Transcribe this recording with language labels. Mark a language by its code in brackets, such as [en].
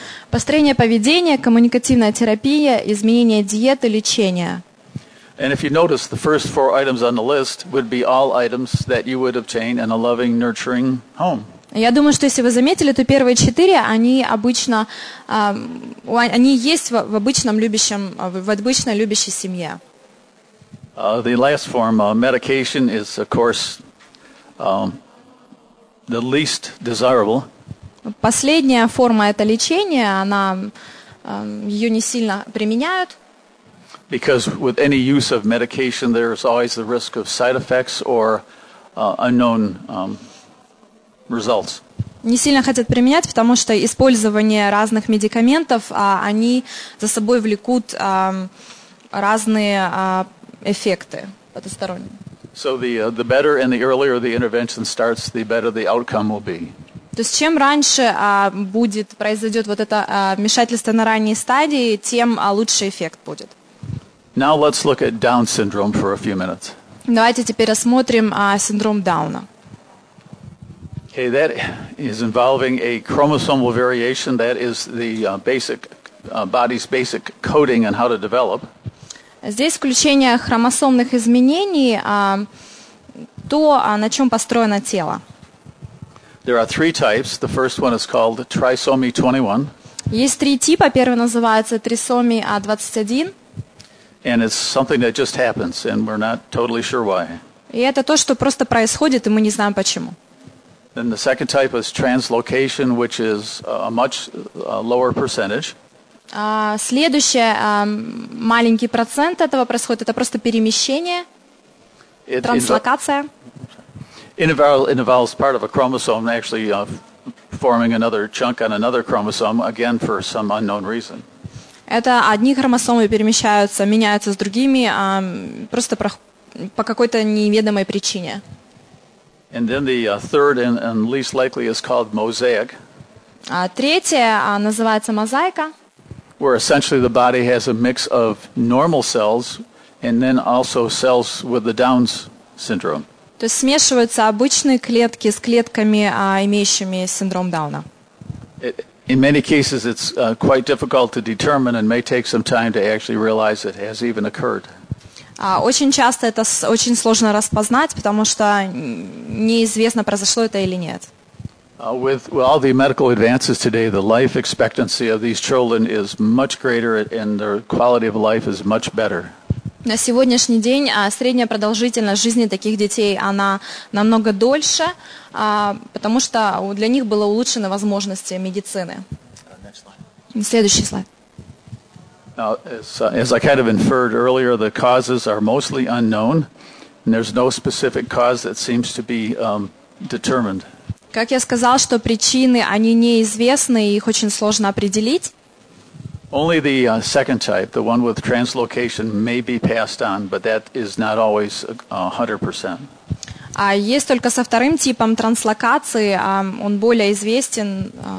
[ru] Построение поведения, коммуникативная терапия, изменение диеты, лечение. [en] And if you notice, the first four items on the list would be all items that you would obtain in a loving, nurturing home. [ru] Я думаю, что если вы заметили, то первые четыре, они обычно, они есть в обычном любящем, в обычной любящей семье. [en] The last form, medication, is, of course, the least desirable. [ru] Последняя форма – это лечение, она, ее не сильно применяют. [en] Because with any use of medication, there is always the risk of side effects or unknown results. [ru] Не сильно хотят применять, потому что использование разных медикаментов, они за собой влекут разные эффекты потусторонние. [en] So the better and the earlier the intervention starts, the better the outcome will be. [ru] То есть чем раньше будет, произойдет вот это вмешательство на ранней стадии, тем лучше эффект будет. [en] Now let's look at Down syndrome for a few minutes. [ru] Давайте теперь рассмотрим синдром Дауна. [en] Okay, that is involving a chromosomal variation. That is the basic body's basic coding and how to develop. [ru] Здесь включение хромосомных изменений, то, на чем построено тело. [en] There are three types. The first one is called trisomy 21. [ru] Есть три типа. Первый называется трисомия 21. [en] And it's something that just happens, and we're not totally sure why. [ru] И это то, что просто происходит, и мы не знаем почему. [en] Then the second type is translocation, which is a much lower percentage. [ru] Следующее, маленький процент этого происходит, это просто перемещение, транслокация. [en] It involves part of a chromosome actually forming another chunk on another chromosome, again for some unknown reason. [ru] Это одни хромосомы перемещаются, меняются с другими, просто по какой-то неведомой причине. [en] And then the third and least likely is called mosaic. [ru] Третье называется мозаика. [en] Where essentially the body has a mix of normal cells and then also cells with the Down's syndrome. [ru] То есть смешиваются обычные клетки с клетками, имеющими синдром Дауна. [en] In many cases, it's quite difficult to determine and may take some time to actually realize it has even occurred. [ru] Очень часто это очень сложно распознать, потому что неизвестно, произошло это или нет. [en] With all the medical advances today, the life expectancy of these children is much greater and their quality of life is much better. [ru] На сегодняшний день средняя продолжительность жизни таких детей, она намного дольше, потому что для них были улучшены возможности медицины. Следующий слайд. [en] Now, as I kind of inferred earlier, the causes are mostly unknown, and there's no specific cause that seems to be determined. [ru] Как я сказал, что причины, они неизвестны, их очень сложно определить. [en] Only the second type, the one with translocation, may be passed on, but that is not always 100%. [ru] А есть только со вторым типом транслокации, он более известен.